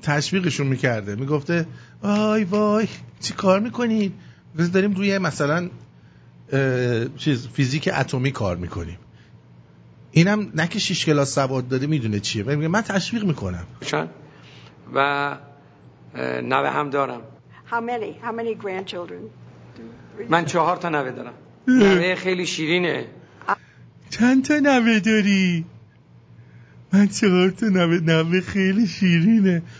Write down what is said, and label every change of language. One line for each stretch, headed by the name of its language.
Persian: تشویقشون میکرده، میگفته آی وای چی کار میکنید، بذار داریم روی مثلا چیز فیزیک اتمی کار میکنیم، اینم نه که 6 کلاس سواد داده میدونه چیه، میگه من تشویق میکنم چن و نوه هم دارم.
English: How many grandchildren?
Persian: من 4 تا نوه دارم. نوه خیلی شیرینه. چند تا نوه داری؟ من 4 تا نوه، نوه خیلی شیرینه.